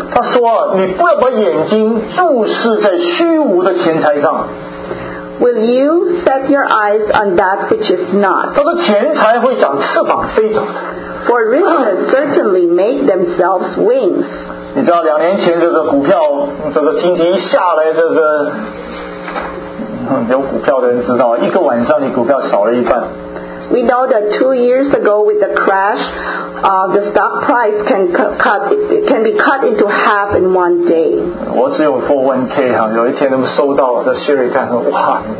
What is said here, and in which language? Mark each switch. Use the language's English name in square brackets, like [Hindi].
[Chinese] 他说，你不要把眼睛注视在虚无的钱财上。 [English] Will you set your eyes on that which is not? [Chinese] 他说，钱财会长翅膀飞走的。 [English] For riches certainly make themselves wings. [Chinese] 你知道两年前这个股票，这个经济一下来，这个有股票的人知道，一个晚上你股票少了一半。 [English] We know that 2 years ago with the crash, the stock price can be cut into half in one day. [Chinese] 我只有 401k 哈，有一天他们收到的薪水单，哇！